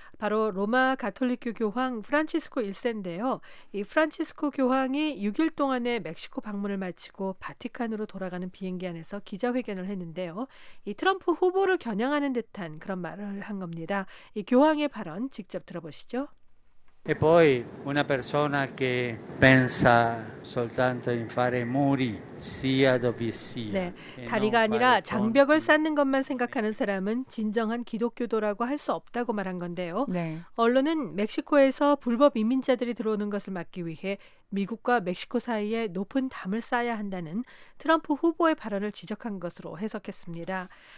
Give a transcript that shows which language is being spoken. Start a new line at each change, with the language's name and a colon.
Korean: 바로 로마 가톨릭교 교황 프란치스코 1세인데요. 이 프란치스코 교황이 6일 동안의 멕시코 방문을 마치고 바티칸으로 돌아가는 비행기 안에서 기자회견을 했는데요. 이 트럼프 후보를 겨냥하는 듯한 그런 말을 한 겁니다. 이 교황의 발언 직접 들어보시죠.
Italian: E poi una persona che pensa soltanto in fare muri sia dove sia.
Korean: 네, 다리가 아니라 장벽을 쌓는 것만 생각하는 사람은 진정한 기독교도라고 할 수 없다고 말한 건데요. 네. 언론은 멕시코에서 불법 이민자들이 들어오는 것을 막기 위해 미국과 멕시코 사이에 높은 담을 쌓아야 한다는 트럼프 후보의 발언을 지적한 것으로 해석했습니다.